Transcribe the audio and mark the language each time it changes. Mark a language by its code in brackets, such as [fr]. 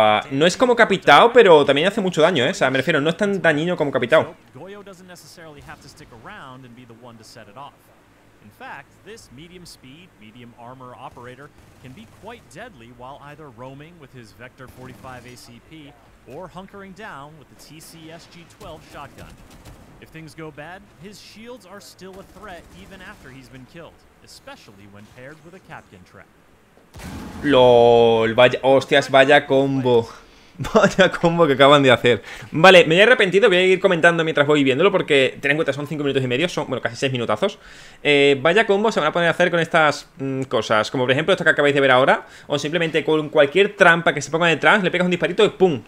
[es] No es como Capitao, pero también hace mucho daño, ¿eh? O sea, me refiero, no es tan dañino como Capitao. Goyo no necesariamente tiene que estar [en] around [es] y ser el [en] one to set it off. In fact, this medium speed, medium armor operator can be quite deadly while either roaming with his Vector 45 ACP or hunkering down with the TCS G12 shotgun. If things go bad, his shields are still a threat even after he's been killed, especially when paired with a Capkin trap. [es] LOL, vaya, hostias, vaya combo. Vaya combo que acaban de hacer. Vale, me he arrepentido, voy a ir comentando mientras voy viéndolo, porque ten en cuenta, son 5 minutos y medio, son, bueno, casi 6 minutazos. Vaya combo se van a poder hacer con estas cosas, como por ejemplo esto que acabáis de ver ahora, o simplemente con cualquier trampa que se ponga detrás, le pegas un disparito y ¡pum!